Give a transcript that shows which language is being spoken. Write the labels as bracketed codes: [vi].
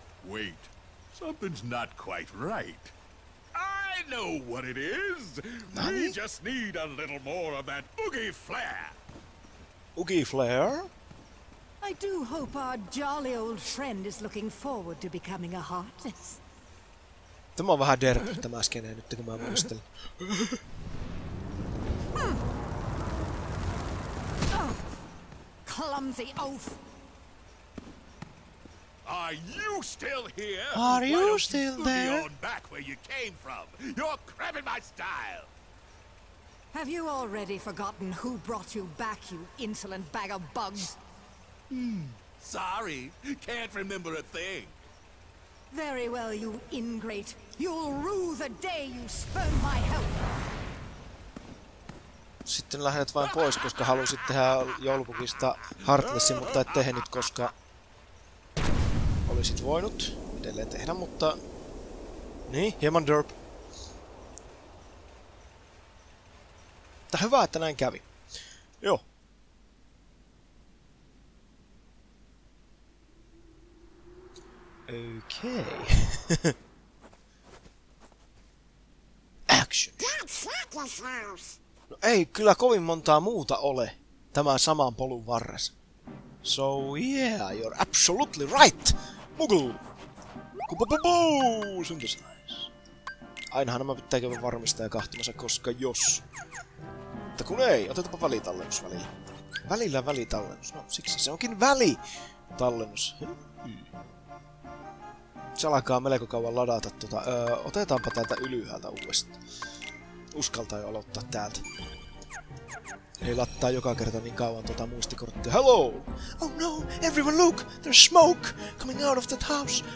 [en] Wait, something's not quite right. I know what it is. [ja] Nani? [en] We just need a little more of that Oogie Flair. Oogie Flair? I do hope our jolly old friend is looking forward to becoming a Heartless. [fi] Tämä on vähän derpy tämä skene nyt, kun mä muistelin. [en] Clumsy oaf! Are you still here? Are you still there? Why don't you back where you came from? You're crabbing my style! Have you already forgotten who brought you back, you insolent bag of bugs? Sorry, can't remember a thing. Very well, you ingrate. You'll rue the day you spurn my help. [fi] Sitten lähdet vain pois, koska halusit tehdä joulupukista Heartlessin, mutta et tehnyt, koska olisit voinut edelleen tehdä, mutta niin, hieman derp. Tää hyvä, että näin kävi. Joo. [en] Okay. Action. That's Heartless House. [fi] No ei kyllä kovin montaa muuta ole tämän saman polun varressa. [en] So yeah, you're absolutely right. Muggle. Kupapapuu, synthesize. [fi] Ainahan nämä pitää käydä varmistaa ja kahtumassa, koska jos. Mutta kun ei, otetaanpa välitallennus välillä. Välillä välitallennus. No siksi se onkin välitallennus. Se alkaa melko kauan ladata tuota. Otetaanpa täältä ylhäältä uudestaan. Uskaltaa jo aloittaa täältä. Ei lattaa joka kerta niin kauan tuota muistikorttia. [en] Hello! Oh no! Everyone look! There's smoke coming out of that house!